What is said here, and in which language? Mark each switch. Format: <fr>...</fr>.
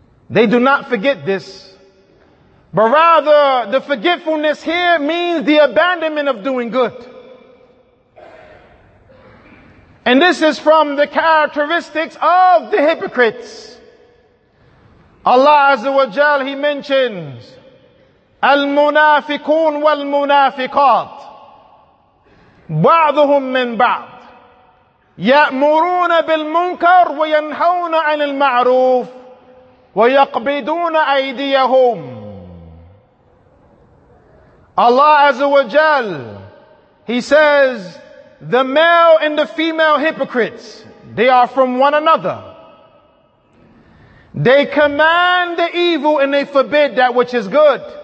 <en>They do not forget this. But rather, the forgetfulness here means the abandonment of doing good. And this is from the characteristics of the hypocrites. Allah Azza wa Jal, He mentions,</en> <ar>المنافقون والمنافقات بعضهم من بعض يأمرون بالمنكر وينهون عن المعروف ويقبضون أيديهم.</ar> <en>Allah Azza wa Jal, He says, the male and the female hypocrites, they are from one another. They command the evil and they forbid that which is good.</en>